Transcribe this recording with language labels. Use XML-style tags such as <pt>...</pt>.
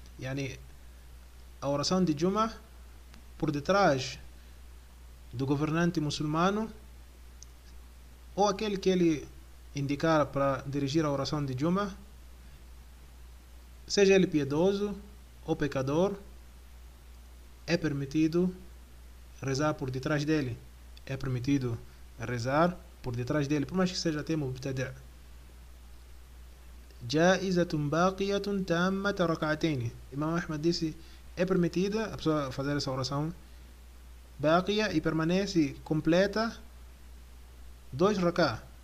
<pt>يعني a oração de Juma por detrás do governante muçulmano ou aquele que ele indicar para dirigir a oração de Juma, seja ele piedoso ou pecador, é permitido rezar por detrás dele. É permitido rezar por detrás dele, por mais que seja até mubtadi'.</pt> <ar>جائزة باقية تامة ركعتين.</ar> <pt>Imam Ahmad disse: é permitida a pessoa fazer essa oração باقية e permanece completa dois rakah.</pt>